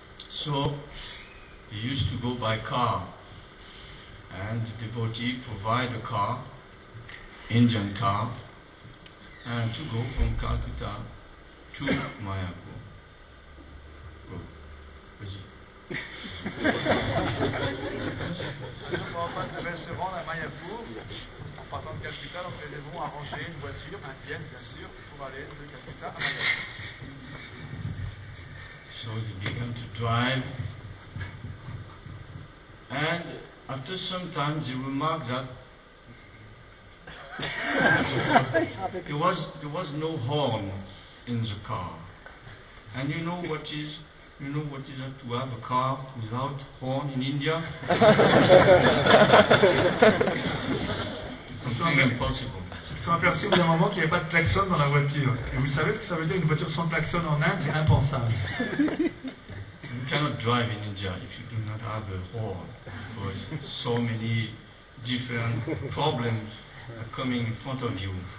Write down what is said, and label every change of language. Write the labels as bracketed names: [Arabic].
[English] So he used to go by car, and the devotee provide a car, Indian car, and to go from Calcutta to Mayapur. [French] Prabhupada devait se rendre à Mayapur en partant de Calcutta, donc les devons arranger une voiture indienne bien sûr pour aller de Calcutta à Mayapur. [English] So he began to drive, and after some time he remarked that there was no horn in the car. And you know what is that to have a car without horn in India? It's something impossible. [French] Ils se sont aperçus au bout d'un moment qu'il n'y avait pas de klaxon dans la voiture. Et vous savez ce que ça veut dire, une voiture sans klaxon en Inde, c'est impensable. [English] You cannot drive in India if you do not have a horn. Because so many different problems are coming in front of you.